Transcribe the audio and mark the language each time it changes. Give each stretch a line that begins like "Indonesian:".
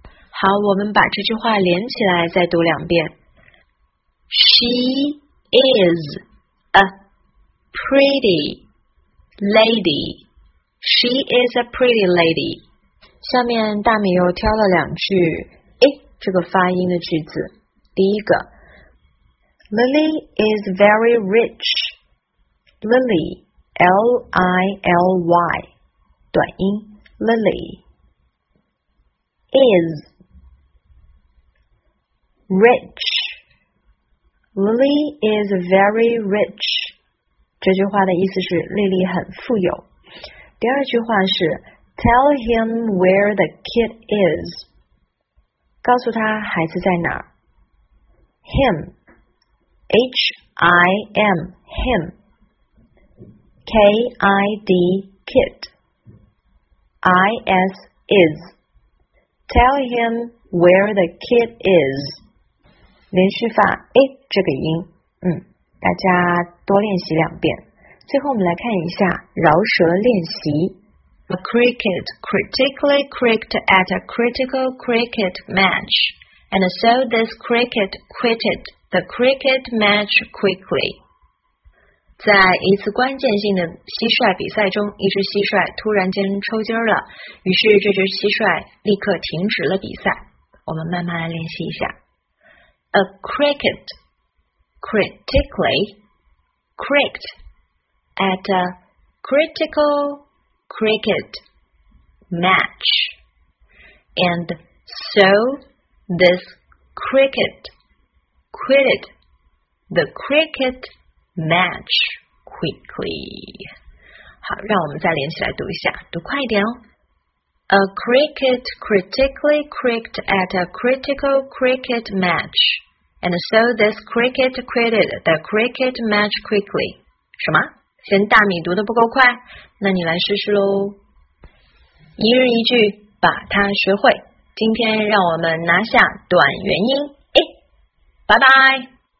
Chinese: 好，我们把这句话连起来再读两遍。
English: She is a pretty lady。 She is a pretty lady。
Chinese: 下面大米又挑了两句 a 这个发音的句子。第一个，
English: Lily is very rich. Lily, L-I-L-Y,
Chinese: 短音
English: Lily, is rich. Lily is very rich.
Chinese: 这句话的意思是莉莉很富有。第二句话是
English: Tell him where the kid is.
Chinese: 告诉他孩子在哪儿。Him.
English: H-I-M, him. K-I-D, kid. I-S, is. Tell him where the kid is.
Chinese: 连续发 A 这个音，大家多练习两遍。最后我们来看一下饶舌练习。
English: A cricket critically cricked at a critical cricket match, and so this cricket quitted. The cricket match quickly.
Chinese: 在一次关键性的蟋蟀比赛中，一只蟋蟀突然间抽筋了，于是这只蟋蟀立刻停止了比赛。我们慢慢来练习一下。
English: A cricket critically cricked at a critical cricket match. And so this cricketquitted the cricket match quickly.
Chinese: 好，让我们再连起来读一下，读快一点哦。
English: A cricket critically cricked at a critical cricket match, and so this cricket quitted the cricket match quickly.
Chinese: 什么？嫌大米读得不够快？那你来试试咯。一日一句，把它学会。今天让我们拿下短元音。拜拜。